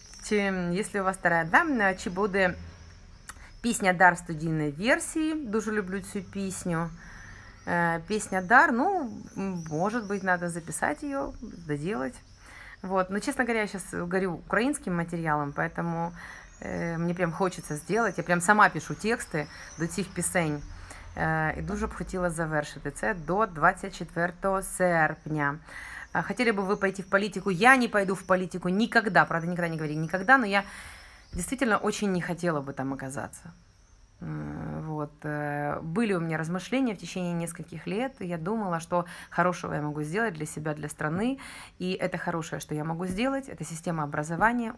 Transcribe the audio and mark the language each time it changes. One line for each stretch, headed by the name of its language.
Russian: Если у вас вторая, да,
Ukrainian: чи буде
Russian: песня «Дар» в студийной версии,
Ukrainian: дуже люблю цю песню.
Russian: Песня «Дар», ну, может быть, надо записать ее, доделать. Вот. Но, честно говоря, я сейчас горю украинским материалом, поэтому мне прям хочется сделать. Я прям сама пишу тексты
Ukrainian: до цих пісень. И дуже б хотіла завершити це до 24 серпня.
Russian: Хотели бы вы пойти в политику? Я не пойду в политику никогда, правда, никогда не говори никогда, но я действительно очень не хотела бы там оказаться. Вот. Были у меня размышления в течение нескольких лет, и я думала, что хорошего я могу сделать для себя, для страны, и это хорошее, что я могу сделать, это система образования.